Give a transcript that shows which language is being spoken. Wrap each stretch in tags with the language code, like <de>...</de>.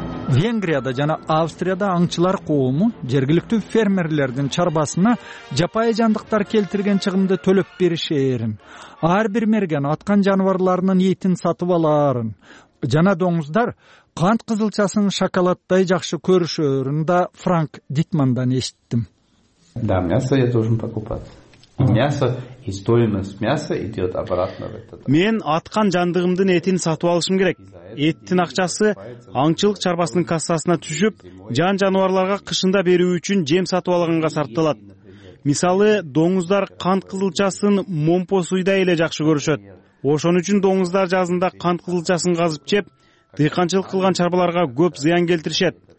<ky>Венгрияда жана Австрияда аңчылар коому жергиликтүү фермерлердин чарбасына жапай жандыктар келтирген чыгымды төлөп бериши ээрин, ар бир мерген аткан жаныбарларынын этин сатып алаарын жана доңуздар кант кызылчасын шоколадтай жакшы көрүшөөрүн да Франк Дитмандан эшиттим.</ky> <ru>Да, мясо я должен покупать. Мясо, и стоимость мяса идет обратно в этот.</ru> <ky>Мен аткан жандыгымдын этин сатып алышым керек. Эттин акчасы аңчылык чарбасынын кассасына түшүп, жан жаныбарларга кышында берүү үчүн жем сатып алганга сарпталат. Мисалы, доңуздар кант кызылчасын момпосуйдай эле жакшы көрүшөт. Ошон үчүн доңуздар жазында кант кызылчасын казып жеп, дыйканчылык кылган чарбаларга көп зыян келтиришет.</ky>